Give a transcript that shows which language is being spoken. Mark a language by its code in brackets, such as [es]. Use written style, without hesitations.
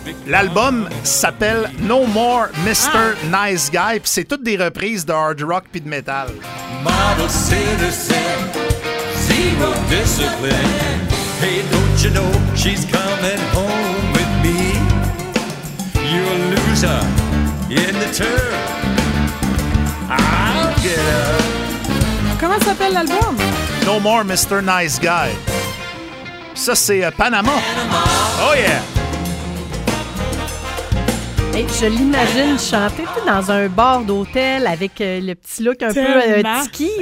[fr] L'album s'appelle No More Mr. Nice Guy, puis c'est toutes des reprises de hard rock puis de metal. [en] Model citizen, zero discipline. Hey, don't you know she's coming home with me? You're a loser in the term. I'll get her. [fr] Comment s'appelle l'album? No More Mr. Nice Guy. Ça, c'est Panama. [en] Oh yeah! [fr] Hey, je l'imagine chanter dans un bar d'hôtel avec le petit look un peu tiki.